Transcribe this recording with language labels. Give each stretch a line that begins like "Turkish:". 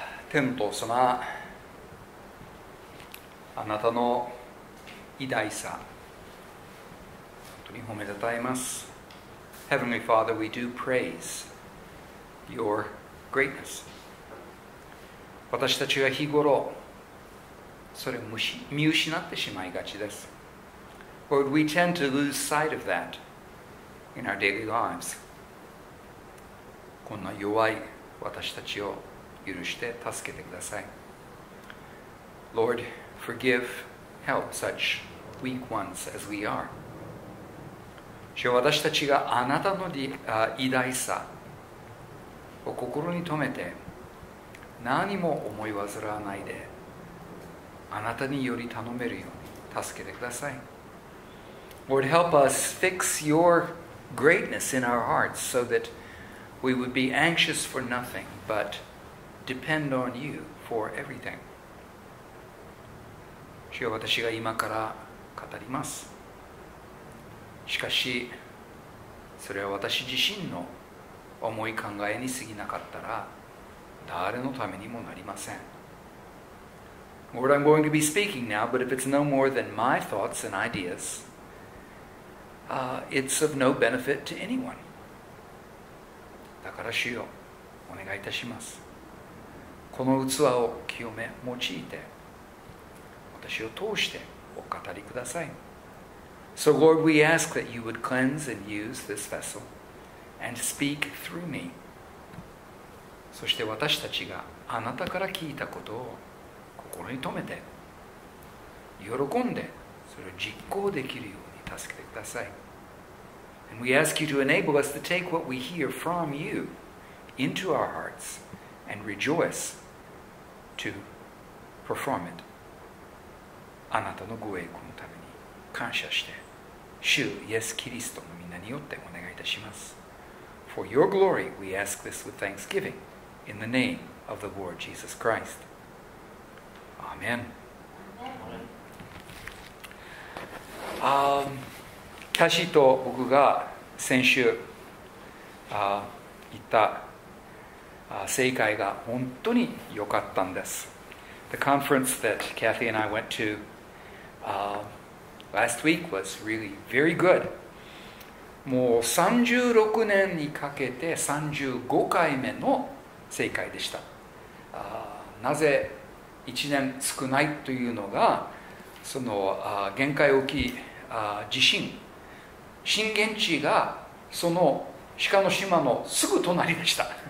Japanese: 天父様、あなたの偉大さ、本当に褒めたたえます。
English: Heavenly Father, we do praise your greatness.
Japanese: 私たちは日頃、それを見失ってしまいがちです。
English: Lord, we tend to lose sight of that. In our daily lives.
Japanese: こんな弱い私たちを許して助けてください。
English: Lord, forgive, help such weak ones as we are.
Japanese: 主よ、私たちがあなたの偉大さを心に留めて、何も思い煩わないで、あなたにより頼めるように助けてください。
English: Lord, help us fix yourGreatness in our hearts so that we would be anxious for nothing but depend on you for everything.
Japanese: 主よ、私が今から語ります。しかし、それは私自身の思い考えに過ぎなかったら、誰のためにもなりません。
English: Lord, I'm going to be speaking now, but if it's no more than my thoughts and ideas,it's of no benefit to anyone.
Japanese: だから主よ、お願いいたします。この器を清め、用いて、私を通してお語りください。
English: So Lord, we ask that you would cleanse and use this vessel and speak through me.
Japanese: そして私たちがあなたから聞いたことを心に留めて、喜んでそれを実行できるように助けてください。
English: And we ask you to enable us to take what we hear from you into our hearts and rejoice to perform it.
Japanese: あなたのご栄光のために感謝して、主イエス・キリストの名によってお願いいたします。
English: For your glory, we ask this with thanksgiving in the name of the Lord Jesus Christ. Amen.
Japanese: キャシーと僕が先週行った聖会が本当に良かったんです。
English: The conference that Kathy and I went to last week was really very good.
Japanese: もう36年にかけて35回目の聖会でした。なぜ1年少ないというのが、その限界大きい地震、震源地がその鹿の島のすぐ隣でした。